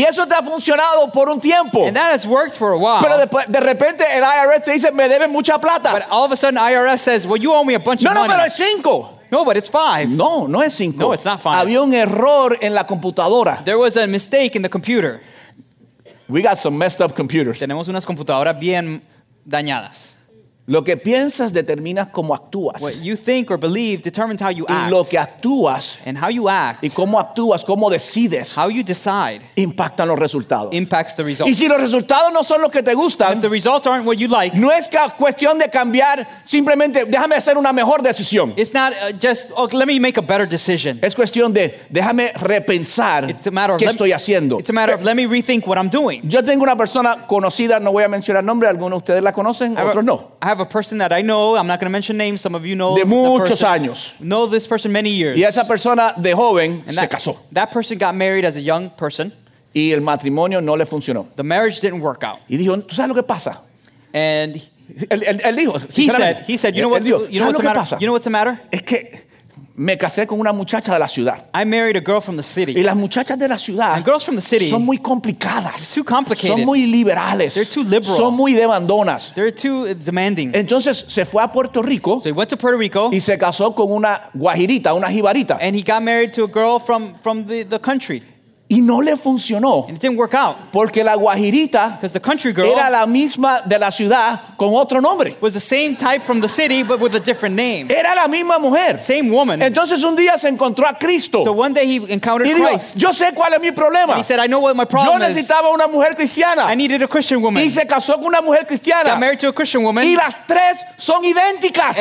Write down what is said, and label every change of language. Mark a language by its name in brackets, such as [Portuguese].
[Spanish] Y eso te ha funcionado por un tiempo. [English] And that has worked for a while. [Spanish] Pero de repente el IRS te dice, me debe mucha plata. [English] But all of a sudden IRS says, well, you owe me a bunch [Spanish] no, [English] of money. [Spanish] No, pero es 5. [English] No, but it's 5. [Spanish] No, no es 5. [English] No, it's not 5. [Spanish] Había un error en la computadora. [English] There was a mistake in the computer. We got some messed up computers. [Spanish] Tenemos unas computadoras bien dañadas. Lo que piensas determina cómo actúas. [English] What you think or believe determines how you act. [Spanish] Y lo que actúas. [English] And how you act. [Spanish] Y cómo actúas, cómo decides. [English] How you decide. [Spanish] Impactan los resultados. [English] Impacts the results. [Spanish] Y si los resultados no son los que te gustan. [English] And if the results aren't what you like. [Spanish] No es cuestión de cambiar, simplemente déjame hacer una mejor decisión. [English] It's not just, oh, let me make a better decision. [Spanish] Es cuestión de déjame repensar qué estoy haciendo. [English] It's a matter of let me rethink what I'm doing. [Spanish] Yo tengo una persona conocida, no voy a mencionar nombre, algunos de ustedes la conocen, otros no. [English] I have a person that I know, I'm not going to mention names, some of you know [Spanish] de muchos años. [English] Know this person many years. [Spanish] Y esa persona de joven se casó. [English] That person got married as a young person. [Spanish] Y el matrimonio no le funcionó. [English] The marriage didn't work out. [Spanish] Y dijo, ¿tú sabes lo que pasa? [English] And [Spanish] él dijo, [English] he said, you know what, you know what's the matter? [Spanish] Es que me casé con una muchacha de la ciudad. [English] I married a girl from the city. [Spanish] Y las muchachas de la ciudad, [English] and girls from the city, [Spanish] son muy complicadas. [English] Too complicated. [Spanish] Son muy liberales. [English] They're too liberal. [Spanish] Son muy demandonas. [English] They're too demanding. [Spanish] Entonces se fue a Puerto Rico. [English] So he went to Puerto Rico. [Spanish] Y se casó con una guajirita, una jibarita. [English] And he got married to a girl from the country. [Spanish] Y no le funcionó. [English] And it didn't work out. [Spanish] Porque la guajirita, [English] because the country girl, [Spanish] era la misma de la ciudad con otro nombre. [English] Was the same type from the city but with a different name. [Spanish] Era la misma mujer. [English] Same woman. [Spanish] Entonces un día se encontró a Cristo. [English] So one day he encountered [Spanish] y dijo, [English] Christ. [Spanish] Yo sé cuál es mi problema. [English] And he said, I know what my problem [Spanish] is. Yo necesitaba una mujer cristiana. [English] I needed a Christian woman. [Spanish] Y se casó con una mujer cristiana. [English] Got married to a Christian woman. [Spanish] Y las tres son idénticas.